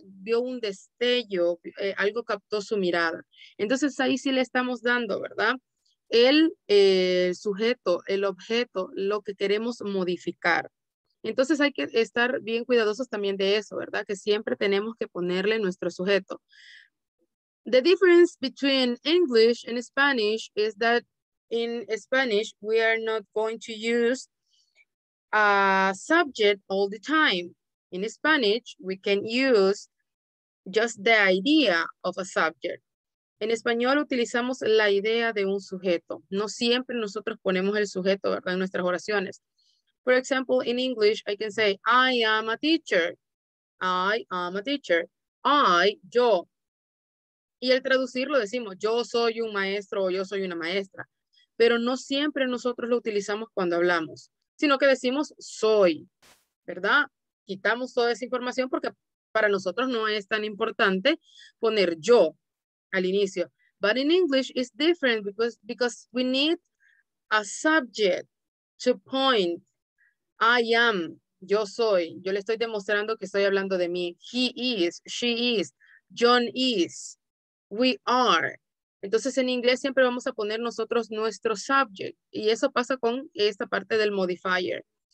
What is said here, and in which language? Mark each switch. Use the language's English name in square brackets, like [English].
[Spanish] Vio un destello, algo captó su mirada. Entonces ahí sí le estamos dando, ¿verdad?, el sujeto, el objeto, lo que queremos modificar. Entonces hay que estar bien cuidadosos también de eso, ¿verdad?, que siempre tenemos que ponerle nuestro sujeto. [English] The difference between English and Spanish is that in Spanish we are not going to use a subject all the time. In Spanish, we can use just the idea of a subject. [Spanish] En español utilizamos la idea de un sujeto. No siempre nosotros ponemos el sujeto, ¿verdad?, en nuestras oraciones. [English] For example, in English, I can say, I am a teacher. I am a teacher. I, [Spanish] yo. Y al traducirlo decimos, yo soy un maestro o yo soy una maestra. Pero no siempre nosotros lo utilizamos cuando hablamos, sino que decimos, soy, ¿verdad? Quitamos toda esa información porque para nosotros no es tan importante poner yo al inicio. [English] But in English it's different because we need a subject to point I am, [Spanish] yo soy, yo le estoy demostrando que estoy hablando de mí. [English] He is, she is, John is, we are. [Spanish] Entonces en inglés siempre vamos a poner nosotros nuestro subject y eso pasa con esta parte del modifier.